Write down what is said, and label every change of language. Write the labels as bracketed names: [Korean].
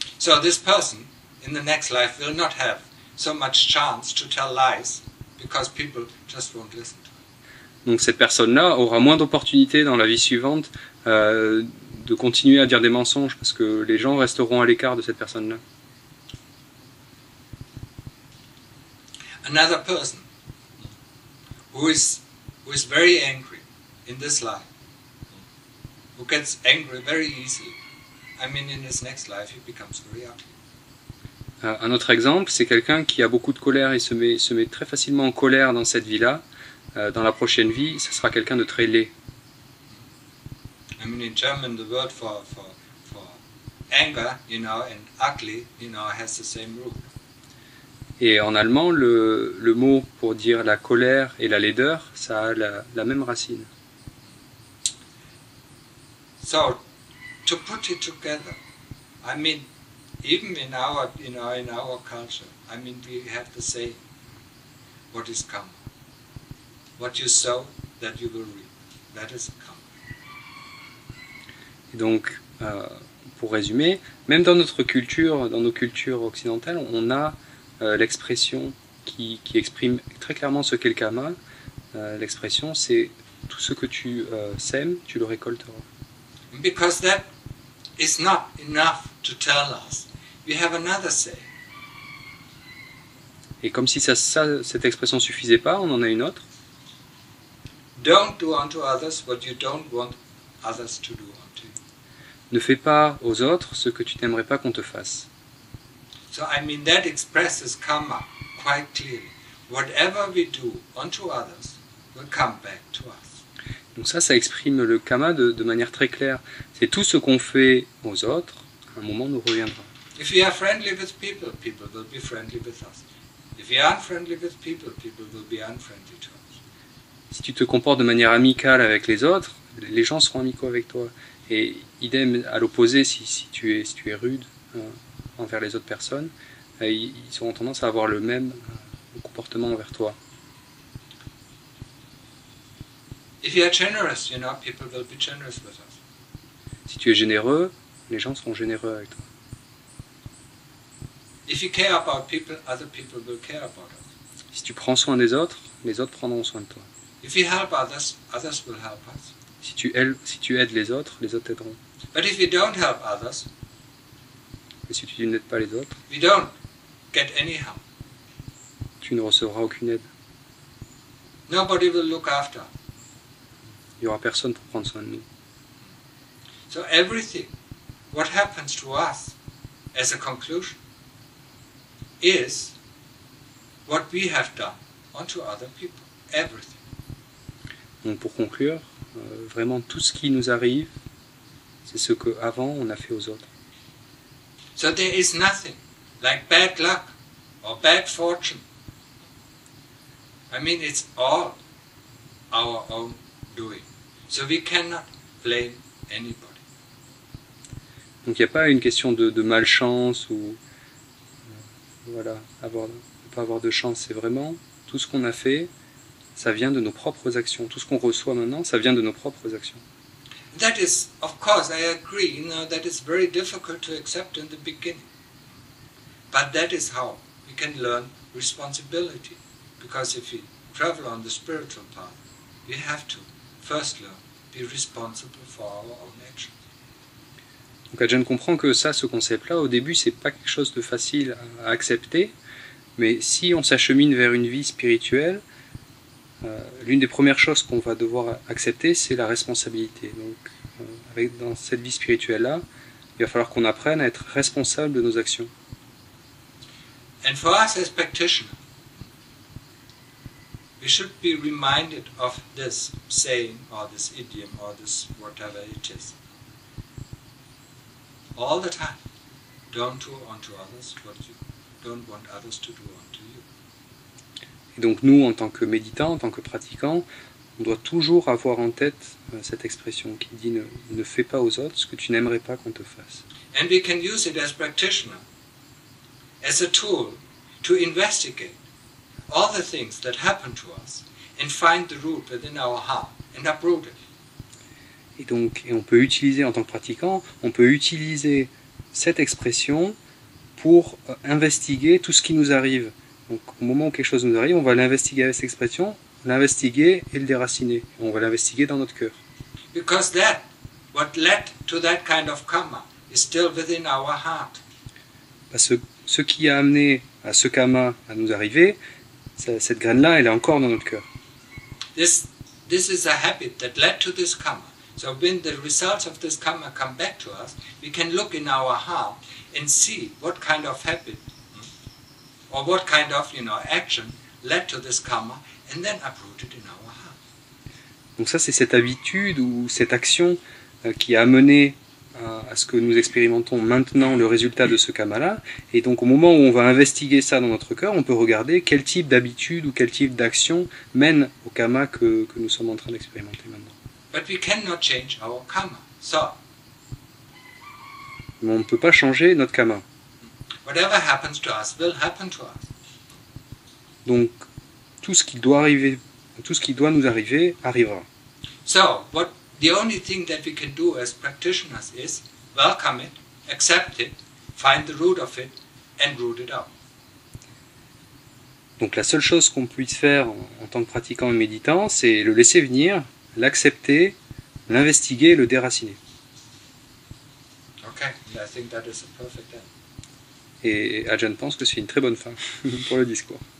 [English] So this person, in the next life, will not have so much chance to tell lies because people just won't listen to it. [French] Donc cette personne-là aura moins d'opportunités dans la vie suivante de continuer à dire des mensonges parce que les gens resteront à l'écart de cette personne-là. [English] Another person who is very angry in this life, who gets angry very easily, I mean in his next life he becomes very ugly. [French] Un autre exemple, c'est quelqu'un qui a beaucoup de colère et se met très facilement en colère dans cette vie-là. Dans la prochaine vie, ce sera quelqu'un de très laid. [English] I mean in German the word for anger, you know, and ugly, you know, has the same root. [French] Et en allemand, le mot pour dire la colère et la laideur, ça a la même racine. [English] So, to put it together, I mean, even in our culture, I mean, we have to say, what is kamma? What you sow, that you will reap. That is kamma. [French] Et donc, pour résumer, même dans notre culture, dans nos cultures occidentales, on a l'expression qui exprime très clairement ce qu'est le kamma, l'expression c'est tout ce que tu sèmes, tu le récolteras. [English] Because that is not enough to tell us, we have another saying. [French] Et comme si ça cette expression suffisait pas, on en a une autre. [English] Don't do unto others what you don't want others to do unto you. [French] Ne fais pas aux autres ce que tu n'aimerais pas qu'on te fasse. [English] So I mean that expresses kamma quite clearly. Whatever we do unto others will come back to us. [French] Donc ça exprime le kamma de manière très claire. C'est tout ce qu'on fait aux autres, à un moment nous reviendra. [English] If we are friendly with people, people will be friendly with us. If we are unfriendly with people, people will be unfriendly to us. [French] Si tu te comportes de manière amicale avec les autres, les gens seront amicaux avec toi. Et idem à l'opposé, si tu es rude envers les autres personnes, ils auront tendance à avoir le même comportement envers toi. [English] If you are generous, you know, people will be generous with us. [French] Si tu es généreux, les gens seront généreux avec toi. [English] If you care about people, other people will care about us. [French] Si tu prends soin des autres, les autres prendront soin de toi. [English] If you help others, others will help us. [French] Si tu aides les autres t'aideront. [English] But if you don't help others, [French] et si tu n'aides pas les autres, [English] we don't get any help. [French] Tu ne recevras aucune aide. [English] Nobody will look after. [French] Il n'y aura personne pour prendre soin de nous. [English] So everything, what happens to us, as a conclusion, is what we have done unto other people. Everything. [French] Donc pour conclure, vraiment tout ce qui nous arrive, c'est ce que avant on a fait aux autres. [English] So there is nothing like bad luck or bad fortune. I mean, it's all our own doing. So we cannot blame anybody. [French] Donc il n'y a pas une question de malchance ou voilà, ne pas avoir de chance. C'est vraiment tout ce qu'on a fait, ça vient de nos propres actions. Tout ce qu'on reçoit maintenant, ça vient de nos propres actions. [English] That is, of course, I agree, you know, that is very difficult to accept in the beginning. But that is how we can learn responsibility. Because if we travel on the spiritual path, we have to first learn be responsible for our own actions. [French] Donc Ajahn comprend que ça, ce concept-là, au début, c'est pas quelque chose de facile à accepter, mais si on s'achemine vers une vie spirituelle, l'une des premières choses qu'on va devoir accepter, c'est la responsabilité. Donc, dans cette vie spirituelle-là, il va falloir qu'on apprenne à être responsable de nos actions. [English] And for us as practitioners, we should be reminded of this saying, or this idiom, or this whatever it is. All the time, don't do unto others what you don't want others to do unto you. [French] Et donc nous, en tant que méditants, en tant que pratiquants, on doit toujours avoir en tête cette expression qui dit ne fais pas aux autres ce que tu n'aimerais pas qu'on te fasse. [English] And we can use it as practitioner, as a tool to investigate all the things that happen to us and find the root within our heart and uproot it. [French] Et donc, et on peut utiliser en tant que pratiquant, on peut utiliser cette expression pour investiguer tout ce qui nous arrive. Donc, au moment où quelque chose nous arrive, on va l'investiguer avec cette expression, l'investiguer et le déraciner. On va l'investiguer dans notre cœur. [English] Because that, what led to that kind of kamma, is still within our heart. [French] Parce que ce qui a amené à ce kamma à nous arriver, cette graine-là, elle est encore dans notre cœur. [English] This is a habit that led to this kamma. So when the results of this karma come back to us, we can look in our heart and see what kind of habit or what kind of, you know, action led to this karma and then uproot it in our heart. [French] Donc ça, c'est cette habitude ou cette action qui a amené à ce que nous expérimentons maintenant le résultat de ce karma-là. Et donc au moment où on va investiguer ça dans notre cœur, on peut regarder quel type d'habitude ou quel type d'action mène au karma que nous sommes en train d'expérimenter maintenant. [English] But we cannot change our kamma. So, [French] mais on ne peut pas changer notre kamma. [English] Whatever happens to us will happen to us. [French] Donc, tout ce qui doit nous arriver arrivera. [English] So, what the only thing that we can do as practitioners is welcome it, accept it, find the root of it, and root it out. [French] Donc, la seule chose qu'on puisse faire en tant que pratiquant et méditant, c'est le laisser venir. L'accepter, l'investiguer, le déraciner. [English] Okay, I think that is a perfect end. [French] Et Ajahn pense que c'est une très bonne fin pour le discours.